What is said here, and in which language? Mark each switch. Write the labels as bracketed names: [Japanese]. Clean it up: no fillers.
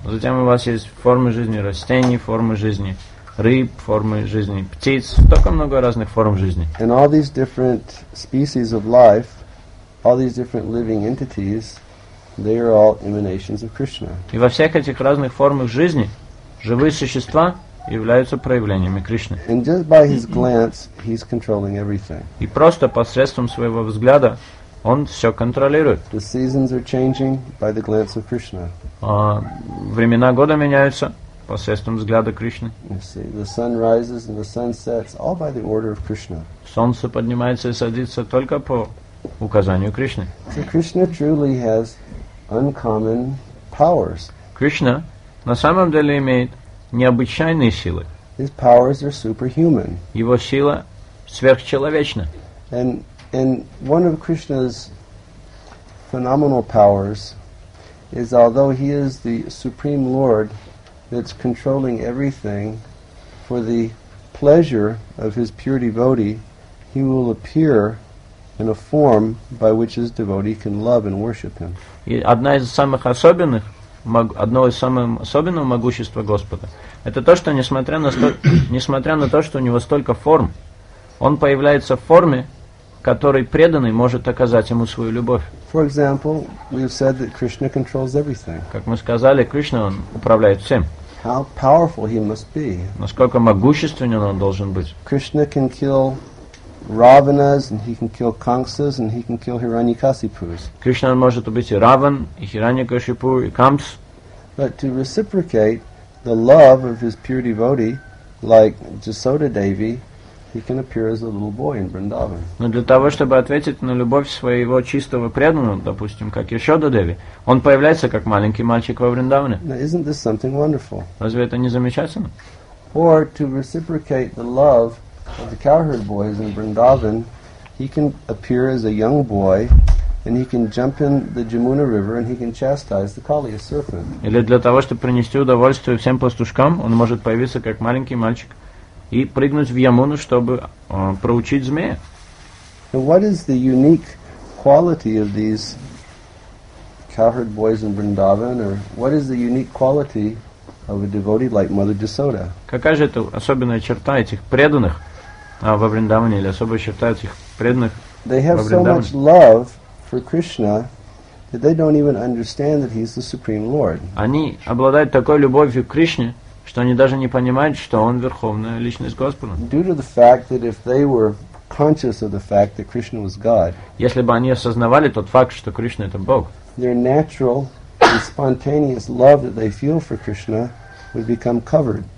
[Russian] Затем у вас есть формы жизни растений, формы жизни рыб, формы жизни птиц, столько много разных форм жизни. [English] And all these different species of life, all these different living entities, they are all emanations of Krishna. [Russian] И во всех этих разных формах жизни живые существа являются проявлениями Кришны. [English] And just by his glance, he's controlling everything. [Russian] И просто посредством своего взгляда он все контролирует. [English] The seasons are changing by the glance of Krishna. [Russian] Времена года меняются посредством взгляда Кришны. [English] You see, the sun rises and the sun sets all by the order of Krishna. [Russian] Солнце поднимается и садится только по указанию Кришны. [English] So Krishna truly has uncommon powers. [Russian] Кришна на самом деле имеет необычайные силы. [English] His powers are superhuman. [Russian] Его сила сверхчеловечна. [English] And one of Krishna's phenomenal powers is, although he is the Supreme Lord that's controlling everything for the pleasure of his pure devotee, he will appear in a form by which his devotee can love and worship him. [Russian] Одно из самых особенных могущества Господа это то, что несмотря на то, что у него столько форм, он появляется в форме, которой преданный может оказать ему свою любовь. [English] For example, we've said that Krishna controls everything. [Russian] Как мы сказали, Кришна он управляет всем. [English] How powerful he must be. [Russian] Насколько могущественен он должен быть. [English] Krishna can kill Ravanas, and he can kill Kamsas, and he can kill Hiranyakasipus. [Russian] Krishna может убить и Раван, и Хираньякашипу, и Камс. [English] But to reciprocate the love of his pure devotee, like Jasoda Devi, he can appear as a little boy in Vrindavan. [Russian] Но для того, чтобы ответить на любовь своего чистого преданного, допустим, как Ясода Деви, он появляется как маленький мальчик во Вриндаване. [English] Now, isn't this something wonderful? [Russian] Разве это не замечательно? [English] Or to reciprocate the love of the cowherd boys in Vrindavan, he can appear as a young boy, and he can jump in the Jamuna River, and he can chastise the Kaliya serpent. [Russian] Или для того, чтобы принести удовольствие всем пастушкам, он может появиться как маленький мальчик и прыгнуть в Ямуну, чтобы проучить змея. [English] Now what is the unique quality of these cowherd boys in Vrindavan, or what is the unique quality of a devotee like Mother Jasoda? [Russian] Какая же это особенная черта этих преданных во Вриндаване, или особо считают их преданных во Вриндаване? [English] They have so much love for Krishna that they don't even understand that he's the Supreme Lord. [Russian] Они обладают такой любовью к Кришне, что они даже не понимают, что он верховная личность Господа. [English] Due to the fact that if they were conscious of the fact that Krishna was God, [Russian] если бы они осознавали тот факт, что Кришна это Бог, [English] their natural and spontaneous love that they feel for Krishna would become covered.